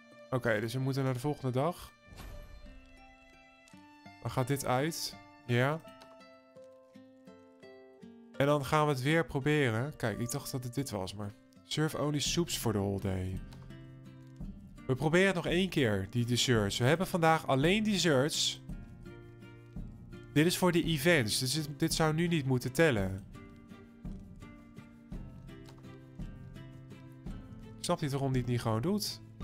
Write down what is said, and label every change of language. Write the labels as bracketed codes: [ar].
[nl] Oké, dus we moeten naar de volgende dag. Dan gaat dit uit. Ja. En dan gaan we het weer proberen. Kijk, ik dacht dat het dit was, maar... [en] Serve only soups for the whole day. [nl] We proberen het nog één keer, die desserts. We hebben vandaag alleen desserts. Dit is voor de events. Dit zou nu niet moeten tellen. Ik snap niet waarom die het niet gewoon doet.